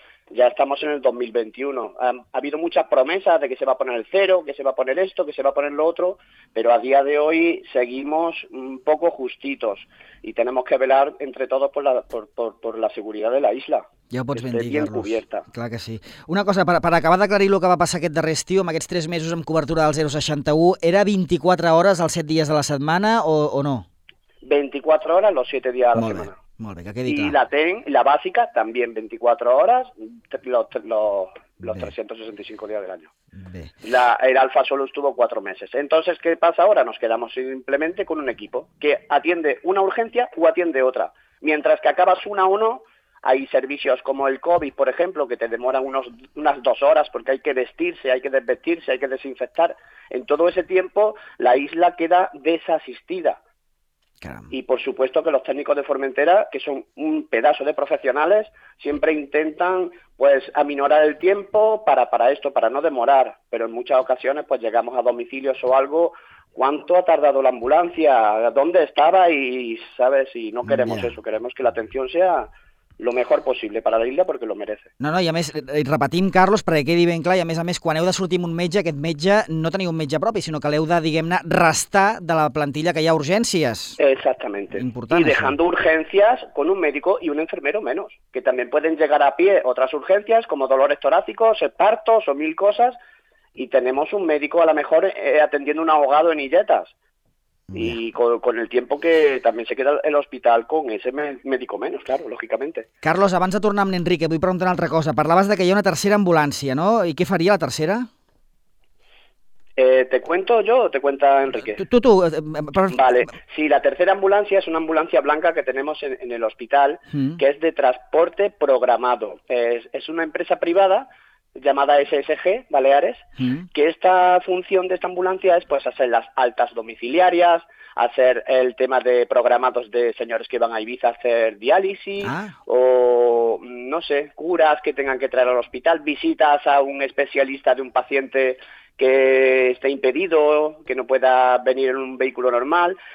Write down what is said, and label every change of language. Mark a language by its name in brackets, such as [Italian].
[Spanish] Ya estamos en el 2021. Ha habido muchas promesas de que se va a poner el cero, que se va a poner esto, que se va a poner lo otro, pero a día de hoy seguimos un poco justitos y tenemos que velar entre todos por la seguridad de la isla. [Catalan] Ja ho pots ben dir, [Spanish] bien cubierta. [Catalan] Clar que sí. Una cosa, per acabar d'aclarir el que va passar aquest darrer estiu, amb aquests 3 mesos amb cobertura del 061, era 24 hores els 7 dies de la setmana o no? [Spanish] 24 hores los 7 días de la [Catalan] semana. Molt bé, que quedi clar. [Spanish] Y la básica también 24 horas los 365 días del año. [Catalan] Bé. [Spanish] El Alfa solo estuvo 4 meses. Entonces, ¿qué pasa ahora? Nos quedamos simplemente con un equipo que atiende una urgencia o atiende otra. Mientras que acabas una o no, hay servicios como el COVID, por ejemplo, que te demoran unas 2 horas porque hay que vestirse, hay que desvestirse, hay que desinfectar. En todo ese tiempo la isla queda desasistida. Caramba. Y por supuesto que los técnicos de Formentera, que son un pedazo de profesionales, siempre intentan pues aminorar el tiempo para esto, para no demorar. Pero en muchas ocasiones pues llegamos a domicilios o algo, ¿cuánto ha tardado la ambulancia? ¿Dónde estaba? Y sabes, y no queremos eso, queremos que la atención sea lo mejor [Catalan] possible per a l'illa, perquè [Spanish] lo merece. [Catalan] No, i a més, repetim, Carlos, perquè quedi ben clar, i a més, quan heu de sortir amb un metge, aquest metge no teniu un metge propi, sinó que l'heu de, diguem-ne, restar de la plantilla que hi ha urgències. [Spanish] Exactamente. [Catalan] Important, [Spanish] y dejando [Catalan] això. [Spanish] Urgencias con un médico y un enfermero menos, que también pueden llegar a pie otras urgencias, como dolores torácicos, partos o mil cosas, y tenemos un médico, a lo mejor, atendiendo un ahogado en Illetas. Y con el tiempo que también se queda el hospital con ese médico menos, claro, lógicamente. [Catalan] Carlos, abans de tornar amb l'Enrique, vull preguntar una altra cosa. Parlaves de que hi ha una tercera ambulància, no? I què faria la tercera? [Spanish] ¿Te cuento yo o te cuenta Enrique? Tú. Vale, sí, la tercera ambulancia es una ambulancia blanca que tenemos en el hospital, que es de transporte programado. Es una empresa privada llamada SSG Baleares, que esta función de esta ambulancia es pues hacer las altas domiciliarias, hacer el tema de programados de señores que van a Ibiza a hacer diálisis, o no sé, curas que tengan que traer al hospital, visitas a un especialista de un paciente que esté impedido, que no pueda venir en un vehículo normal.